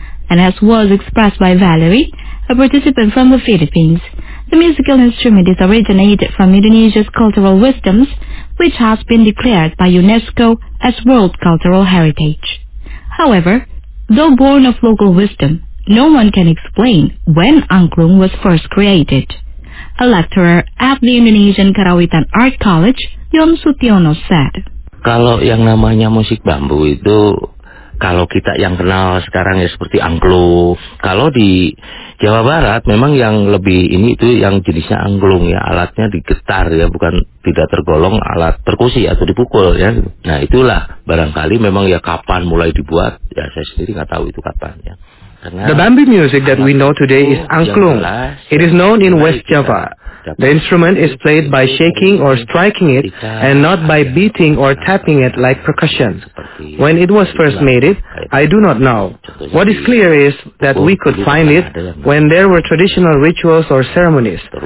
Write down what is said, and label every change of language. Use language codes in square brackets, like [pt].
[en] And as was expressed by Valerie, a participant from the Philippines, the musical instrument is originated from Indonesia's cultural wisdoms, which has been declared by UNESCO as World Cultural Heritage. However, though born of local wisdom, no one can explain when Angklung was first created. A lecturer at the Indonesian Karawitan Art College, Yon Sutiono, said, [id] "Kalau yang namanya musik bambu itu, kalau kita yang kenal sekarang ya seperti angklung. Kalau di Jawa Barat memang yang lebih ini itu yang jenisnya angklung ya, alatnya digetar ya, bukan tidak tergolong alat perkusi atau dipukul ya. Nah itulah barangkali memang ya kapan mulai dibuat ya saya sendiri nggak tahu itu kapan ya. [en] The bamboo music that we know today is angklung. It is known in West Java. The instrument is played by shaking or striking it and not by beating or tapping it like percussion. When it was first made, I do not know. What is clear is that we could find it when there were traditional rituals or ceremonies.